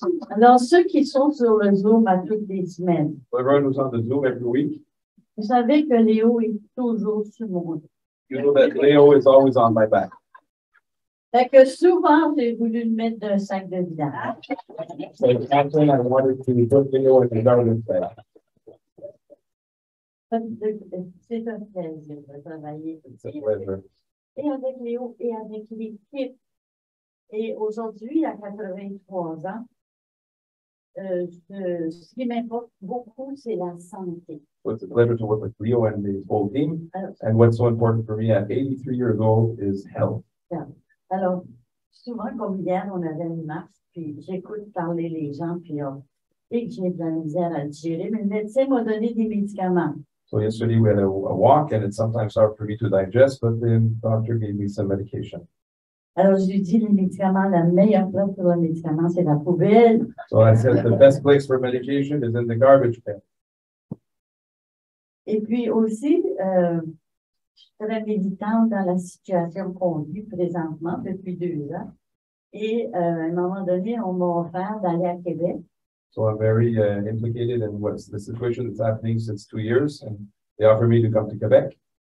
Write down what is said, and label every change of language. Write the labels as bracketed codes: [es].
[fr] Alors, ceux qui sont sur le Zoom à toutes les semaines. [en] Everyone who's on the Zoom every week. [fr] Vous savez que Léo est toujours sur mon dos. [en] You know that Léo is always on my back. [fr] Fait que souvent, j'ai voulu le mettre dans un sac de village. [en] So, Catherine, I wanted to put Léo in the garden set. [fr] C'est un plaisir de travailler. [en] It's a pleasure. [fr] Et avec Léo et avec l'équipe. Et aujourd'hui, à 83 ans, ce qui m'importe beaucoup, c'est la santé. [en] So it's a pleasure to work with Leo and the whole team. And what's so important for me at 83 years old is health. Yeah. [fr] Alors, souvent, comme hier, on avait une marche, puis j'écoute parler les gens, puis j'ai de la misère à digérer, mais le médecin m'a donné des médicaments. [en] So yesterday we had a walk, and it's sometimes hard for me to digest, but the doctor gave me some medication. [fr] Alors, je lui dis, les médicaments, la meilleure place pour les médicaments, c'est la poubelle. [en] So I said, the best place for medication is in the garbage bin. [fr] Et puis aussi, je suis très militante dans la situation qu'on vit présentement depuis 2 ans. Et à un moment donné, on m'a offert d'aller à Québec. [en] So I'm very implicated in what's the situation that's happening since 2 years. And they offered me to come to Québec.